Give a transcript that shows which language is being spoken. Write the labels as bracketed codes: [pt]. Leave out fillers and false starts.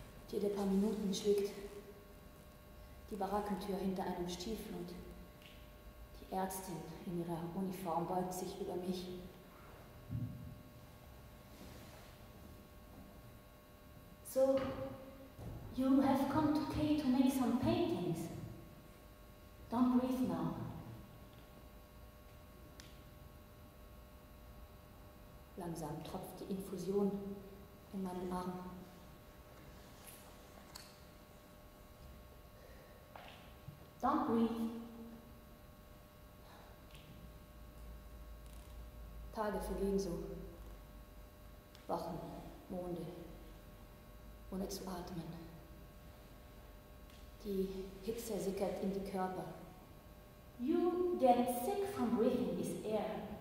[de] Jede paar Minuten schlägt die Barackentür hinter einem Stiefel und die Ärztin in ihrer Uniform beugt sich über mich. [en] So, you have come to Kay to make some paintings. Don't breathe now. [de] Langsam tropft die Infusion in meinen Arm. [en] Don't breathe. [de] Tage vergehen so. Wochen, Monde. Ohne zu atmen. Die Hitze sickert in die Körper. [en] You get sick from breathing this air.